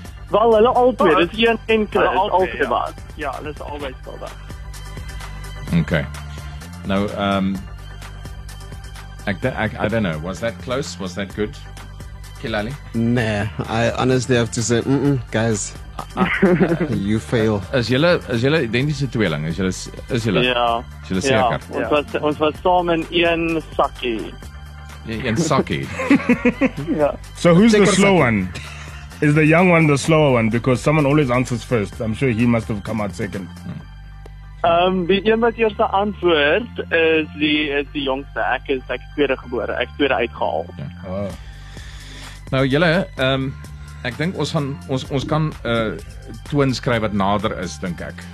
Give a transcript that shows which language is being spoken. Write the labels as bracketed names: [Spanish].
[Afrikaans] Wel, hulle albei, dit is Ian en Chris, albei was. Ja, hulle is albei still there. [English] Okay. Nou, I don't know. Was that close? Was that good? Kilali? Nah, I honestly have to say, guys. you fail. [Afrikaans] Is jy identiese tweeling? Is jy? Ja. Jy is seker. Ja. Ons was saam in een sakkie. In sakkie. Ja. [English] So who's the slow one? Is the young one the slower one? Because someone always answers first. I'm sure he must have come out second. [Afrikaans] Die een wat eerste antwoord is die jongste. Ek is tweede gebore. Ek tweede uitgehaal. Ja. [English] Oh. [Afrikaans] Nou julle, ek dink ons kan 'n twin skryf wat nader is, dink ek.